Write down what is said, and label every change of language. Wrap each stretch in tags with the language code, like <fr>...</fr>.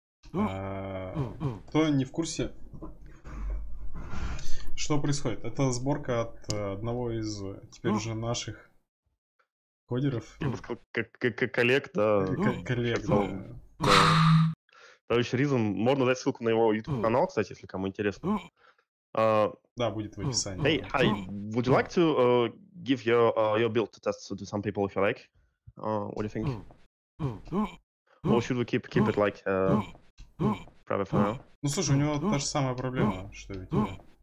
<ru>Кто не в курсе, что происходит? Это сборка от одного из теперь уже наших... Кодеров? Я бы сказал, как коллег, да. Коллег, да. Товарищ Ризен, можно дать ссылку на его YouTube-канал, кстати, если кому интересно. Да, будет в описании.</ru> <en>Hey, hi, would you like to give your build to test to some people if you like? What do you think? Or should we keep it like private for now?</en> <ru>Ну слушай, у него та же самая проблема, что и у тебя.</ru>